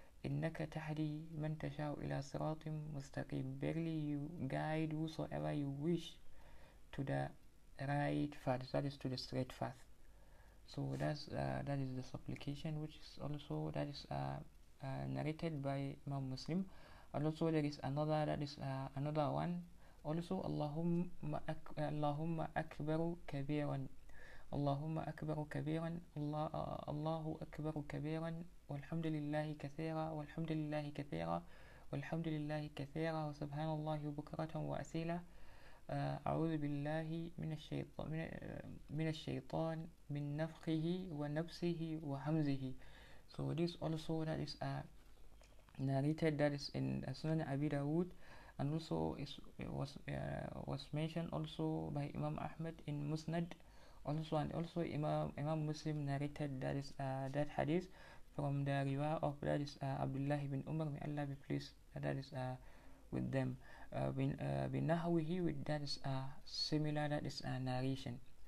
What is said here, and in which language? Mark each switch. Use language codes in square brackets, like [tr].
[ar] إنك تهدي من تشاء إلى صراط مستقيم, [en] barely you guide whosoever you wish to the right path, that is to the straight path. So that's that is the supplication which is also, that is narrated by Imam Muslim. And also there is another, that is another one also, [ar] اللهم أكبر كبيرا, اللهم أكبر كبيرا, الله أكبر كبيرا, والحمد لله كثيرا, والحمد لله كثيرا, والحمد لله كثيرا, وسبحان الله بكرة وأسيلة. أعوذ بالله من الشيطان, من الشيطان, من نفخه ونفسه وهمزه. [en] So this also, that is narrated, that is in Sunan Abi Dawood, and also it was mentioned also by Imam Ahmad in Musnad. Also Imam Muslim narrated, that is that hadith from the riwa of, that is Abdullah ibn Umar, may Allah be pleased, that is with them, binahwihi, with, that is similar, that is narration.